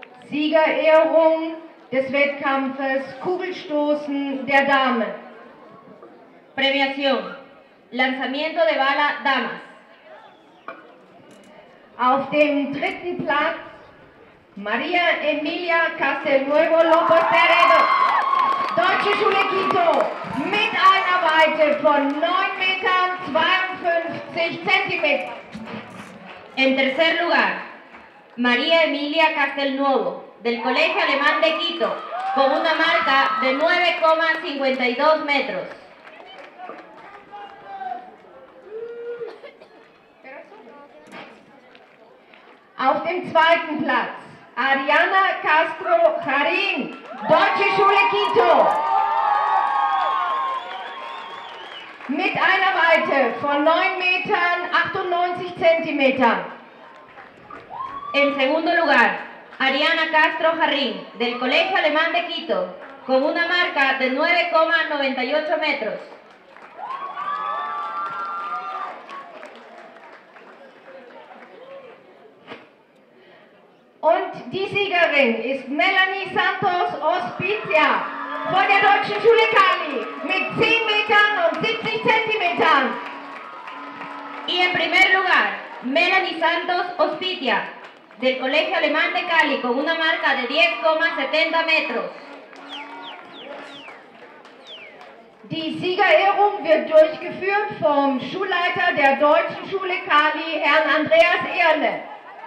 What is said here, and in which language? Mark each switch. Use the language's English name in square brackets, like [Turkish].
[German] Siegerehrung des Wettkampfes Kugelstoßen der Damen. [Spanish] Premiación. Lanzamiento de bala damas. [German] Auf dem dritten Platz María Emilia Castelnuevo López Peredo, Deutsche Schule Quito, mit einer Weite von 9,52 Meter. [Spanish] En tercer lugar, María Emilia Castelnuevo, del Colegio Alemán de Quito, con una marca de 9,52 metros. [German] Auf dem zweiten Platz, Ariana Castro Jarin, Deutsche Schule Quito, mit einer Weite von 9,98 Zentimetern. [Spanish] En segundo lugar, Ariana Castro Jarrín, del Colegio Alemán de Quito, con una marca de 9,98 metros. [German] Und Und die Siegerin ist Melanie Santos Ospizia von der Deutschen Schule Cali mit 10 Metern und 70 Zentimetern. [Spanish] Y en primer lugar, Melanie Santos Ospizia del Colegio Alemán de Cali con una marca de 10,70 metros. [German] Die Siegerehrung wird durchgeführt vom Schulleiter der Deutschen Schule Cali, Herrn Andreas Ehrle.